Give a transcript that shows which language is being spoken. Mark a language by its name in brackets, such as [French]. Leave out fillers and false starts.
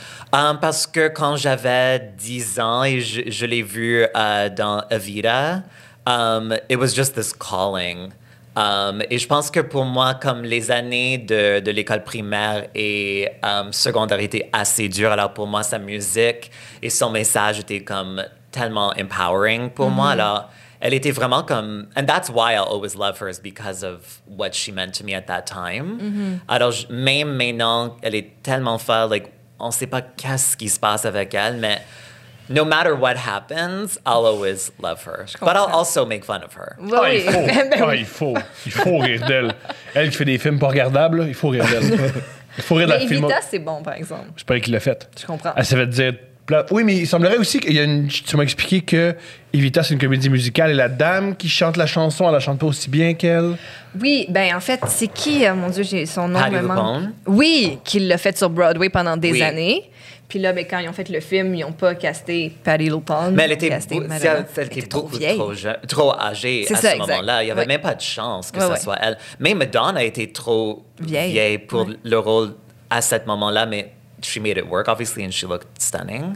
[French] Parce que quand j'avais 10 ans et je l'ai vue dans Evita, [English] it was just this calling. [French] Et je pense que pour moi, comme les années de l'école primaire et secondaire étaient assez dures, alors pour moi, sa musique et son message étaient comme... tellement empowering pour moi. Alors, elle était vraiment comme... [English] And that's why I always love her, is because of what she meant to me at that time. [French] Alors, même maintenant, elle est tellement folle, like, on sait pas qu'est-ce qui se passe avec elle, mais [English] no matter what happens, I'll always love her. But I'll also make fun of her. [French] Oui. Ah, il faut. Ah, il faut. Il faut rire d'elle. Elle qui fait des films pas regardables, il faut rire d'elle. Il faut rire d'elle. Mais Evita, c'est bon, par exemple. Je sais pas qui l'a fait. Je comprends. Elle savait dire... Oui, mais il semblerait aussi que tu m'as expliqué que Evita, c'est une comédie musicale et la dame qui chante la chanson, elle la chante pas aussi bien qu'elle. Oui, ben en fait, c'est qui, mon Dieu, j'ai son nom. Patti LuPone. Oui, qui l'a fait sur Broadway pendant des années. Puis là, ben, quand ils ont fait le film, ils n'ont pas casté Patti LuPone. Mais elle était trop vieille. Trop âgée c'est à ça, ce exact. Moment-là. Il n'y avait même pas de chance que ça soit elle. Même Madonna a été trop vieille pour le rôle à ce moment-là, mais... [English] She made it work, obviously, and she looked stunning.